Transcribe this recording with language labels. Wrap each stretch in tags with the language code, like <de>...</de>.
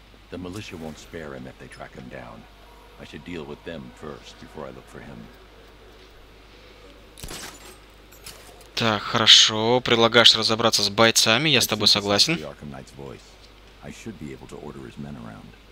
<en>The militia won't spare him if they track him down. I should deal with them first before I look for him.</en> <ru>Так, хорошо. Предлагаешь разобраться с бойцами, я с тобой согласен.</ru> <en>I should be able to order his men around.</en>